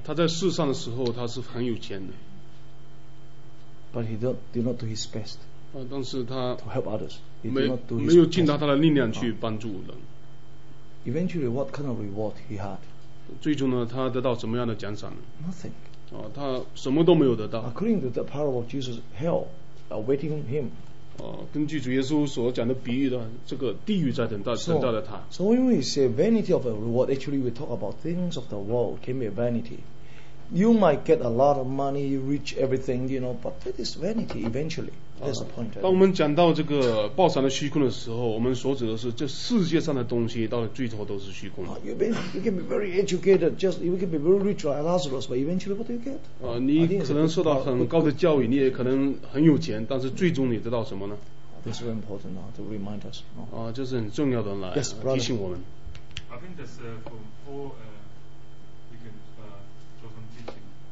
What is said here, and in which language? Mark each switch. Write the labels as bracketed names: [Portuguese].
[Chinese] 他在世上的时候他是很有钱的。 [English] But he did not do his best. [Chinese] 但是他 [English] to help others. He did not do his best. [Chinese] 没有尽到他的力量去帮助人。 [English] Eventually, what kind of reward he had? [Chinese] 最终呢，他得到什么样的奖赏呢？ [English] Nothing. [Chinese] 他什么都没有得到。 [English] According to the parable of Jesus, hell awaiting him. [Chinese] 根据主耶稣所讲的比喻的这个地狱在等待着他。 [English] So when we say vanity of a reward, actually we talk about things of the world can be a vanity. You might get a lot of money, reach everything, you know, but that is vanity eventually. That's the point. [Chinese] 当我们讲到这个报偿的虚空的时候，我们所指的是这世界上的东西到最后都是虚空的。 [English] You can be very educated, just you can be very rich like Lazarus, but eventually what do you get? [Chinese] 你可能受到很高的教育，你也可能很有钱，但是最终你得到什么呢？ [English] That's very important to remind us. [Chinese] 这是很重要的来提醒我们。 [English] I think that's from Paul, we can draw some teaching.